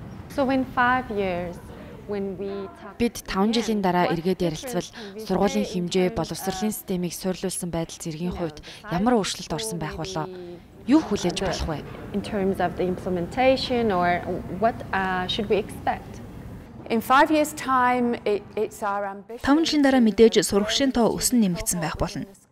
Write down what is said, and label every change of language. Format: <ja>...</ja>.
<mn>Бид 5 жилийн дараа эргээд ярилцвал сургуулийн хэмжээ боловсролын системийг суйрлуулсан байдал зэргийн хувьд ямар өөрчлөлт орсон байх болоо? Юу хүлээж болох вэ?</mn> <en>In terms of the implementation or what should we expect? In 5 years time it's our ambition.</en> <mn>5 жилийн дараа мэдээж сурагчийн тоо өсөн нэмэгдсэн байх болно.</mn>